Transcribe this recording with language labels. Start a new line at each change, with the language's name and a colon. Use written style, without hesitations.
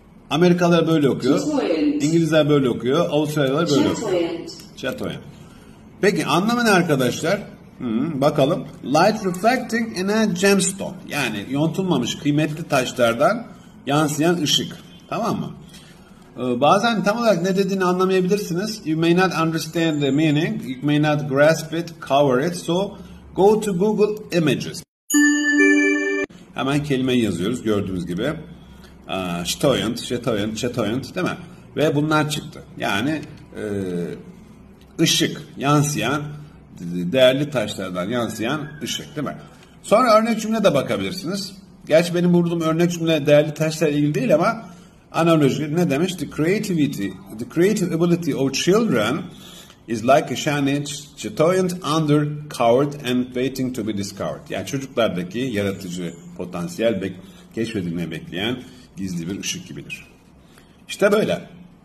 Turkish: Amerikalılar böyle okuyor. İngilizler böyle okuyor. Avustralyalılar böyle okuyor.
English: Chatoyant.
Turkish: Peki anlamı ne arkadaşlar? Bakalım.
English: Light reflecting in a gemstone.
Turkish: Yani yontulmamış kıymetli taşlardan yansıyan ışık. Tamam mı? Bazen tam olarak ne dediğini anlamayabilirsiniz.
English: You may not understand the meaning. You may not grasp it, cover it. So go to Google Images.
Turkish: Hemen kelimeyi yazıyoruz gördüğünüz gibi. Chatoyant, chatoyant, chatoyant değil mi? Ve bunlar çıktı. Yani ışık yansıyan, değerli taşlardan yansıyan ışık değil mi? Sonra örnek cümle de bakabilirsiniz. Gerçi benim vurduğum örnek cümle değerli taşlarla ilgili değil ama analoji ne demiş?
English: The creative ability of children is like a shining chatoyant under covered and waiting to be discovered.
Turkish: Yani çocuklardaki yaratıcı potansiyel keşfedilmeyi bekleyen gizli bir ışık gibidir. İşte böyle.